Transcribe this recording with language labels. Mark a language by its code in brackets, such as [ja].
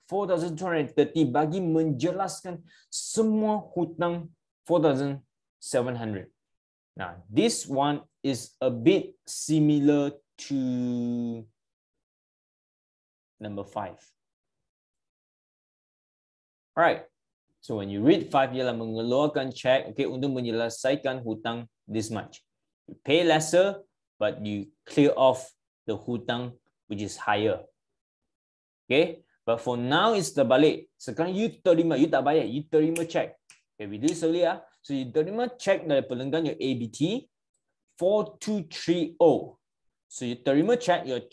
[ms] 4,230 bagi menjelaskan semua hutang 4,700. [en] Now, this one is a bit similar to number 5. Alright. So, when you read 5, [ms] ialah mengeluarkan cek okay, untuk menyelesaikan hutang [en] this much. You pay lesser, but you clear off the hutang, which is higher. Okay? But for now, it's the balik. [ms] Sekarang, you terima. You tak bayar. You terima cek. [en] Okay, we do this earlier. So, you [ms] terima cek [en] dari pelanggan your ABT 4230. So, you terima cek.